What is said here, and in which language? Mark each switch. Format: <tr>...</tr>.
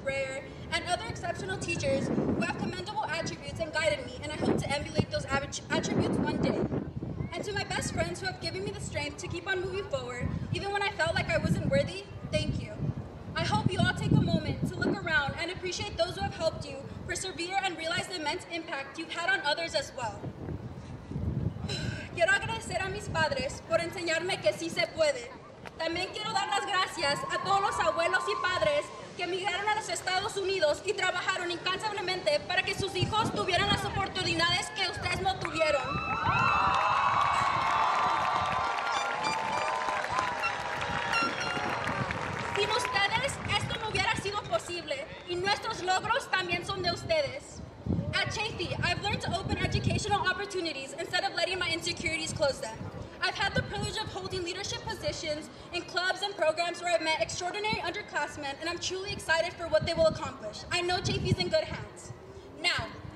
<en>Breyer, and other exceptional teachers who have commendable attributes and guided me, and I hope to emulate those attributes one day. And to my best friends who have given me the strength to keep on moving forward, even when I felt like I wasn't worthy, thank you. I hope you all take a moment to look around and appreciate those who have helped you persevere and realize the immense impact you've had on others as well.</en> <es>Quiero agradecer a mis padres por enseñarme que sí se puede. También quiero dar las gracias a todos los abuelos y padres que emigraron a los Estados Unidos y trabajaron incansablemente para que sus hijos tuvieran las oportunidades que ustedes no tuvieron. Sin ustedes, esto no hubiera sido posible, y nuestros logros también son de ustedes.</es> <en>At Chafee, I've learned to open educational opportunities instead of letting my insecurities close them. I've had the privilege of holding leadership positions in clubs and programs where I've met extraordinary underclassmen, and I'm truly excited for what they will accomplish. I know Chafee's in good hands. Now,</en>